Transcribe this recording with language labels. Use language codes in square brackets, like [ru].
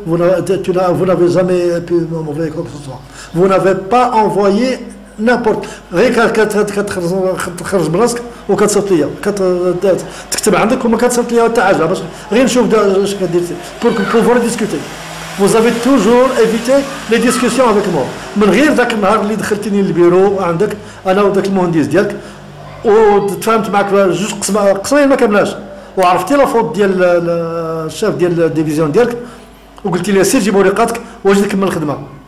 [fr] Vous n'avez jamais pu m'envoyer quoi que ce soit. Vous n'avez pas envoyé n'importe. [ar] Rien و كتصيفط ليا تكتب عندك وما كتصيفط ليا حتى حاجه باش غير نشوف اش كدير [fr] بور بوفوار ديسكوتي. Vous avez toujours évité les discussions avec moi. [ar] من غير ذاك النهار اللي دخلتيني للبيرو عندك انا وذاك المهندس ديالك و تفاهمت معك جوج قسمين ما كاملاش وعرفتي لافوت ديال الشاف ديال الديفيزيون ديالك وقلتي لي سير جيب وريقاتك واجي نكمل الخدمه.